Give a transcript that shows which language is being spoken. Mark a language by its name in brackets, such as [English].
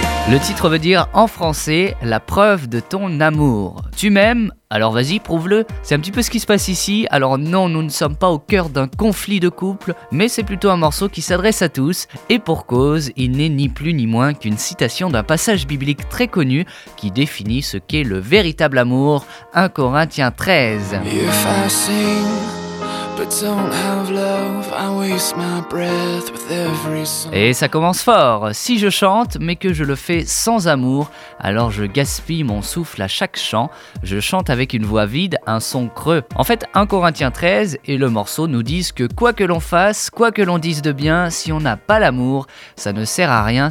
[French] Le titre veut dire en français la preuve de ton amour. Tu m'aimes ? Alors vas-y, prouve-le. C'est un petit peu ce qui se passe ici. Alors non, nous ne sommes pas au cœur d'un conflit de couple, mais c'est plutôt un morceau qui s'adresse à tous. Et pour cause, il n'est ni plus ni moins qu'une citation d'un passage biblique très connu qui définit ce qu'est le véritable amour. 1 Corinthiens 13. [English] If I sing, but don't have love, I waste my breath with every song. [French] Et ça commence fort. Si je chante, mais que je le fais sans amour, alors je gaspille mon souffle à chaque chant. Je chante avec une voix vide, un son creux. En fait, 1 Corinthiens 13 et le morceau nous disent que quoi que l'on fasse, quoi que l'on dise de bien, si on n'a pas l'amour, ça ne sert à rien.